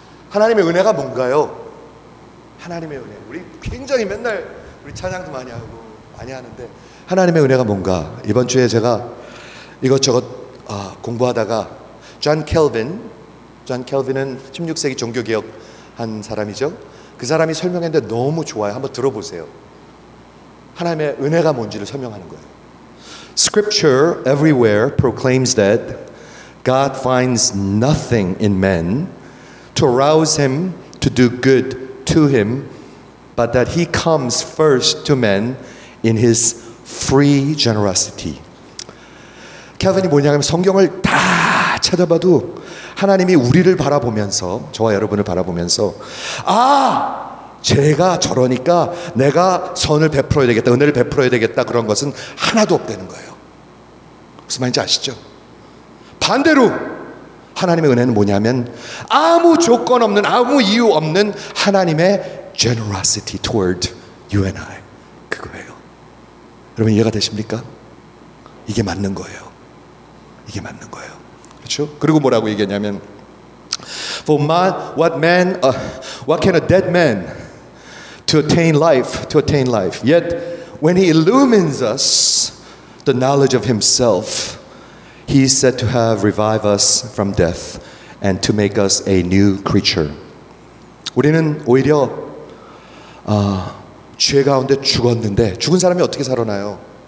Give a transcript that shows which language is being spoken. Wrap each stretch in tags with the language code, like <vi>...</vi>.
<ko>하나님의 은혜가 뭔가요? 하나님의 은혜. 우리 굉장히 맨날 우리 찬양도 많이 하고 많이 하는데 하나님의 은혜가 뭔가? 이번 주에 제가 이것저것 공부하다가 존 켈빈은 16세기 종교개혁 한 사람이죠. 그 사람이 설명했는데 너무 좋아요. 한번 들어보세요. 하나님의 은혜가 뭔지를 설명하는 거예요.</ko> <en>Scripture everywhere proclaims that God finds nothing in man to arouse him to do good to him, but that he comes first to man in his free generosity.</en> <ko>켈빈이 뭐냐면 성경을 다 찾아봐도 하나님이 우리를 바라보면서 저와 여러분을 바라보면서 아! 제가 저러니까 내가 선을 베풀어야 되겠다 은혜를 베풀어야 되겠다 그런 것은 하나도 없다는 거예요. 무슨 말인지 아시죠? 반대로 하나님의 은혜는 뭐냐면 아무 조건 없는 아무 이유 없는 하나님의</ko> <en>generosity toward you and I</en> <ko>그거예요. 여러분 이해가 되십니까? 이게 맞는 거예요. 이게 맞는 거예요. 그렇죠? 그리고 뭐라고 얘기했냐면</ko> <en>What can a dead man to attain life, yet when he illumines us the knowledge of himself, he is said to have revived us from death and to make us a new creature.</en> <ko>우리는 오히려 죄 가운데 죽었는데 죽은 사람이 어떻게 살아나요?</ko>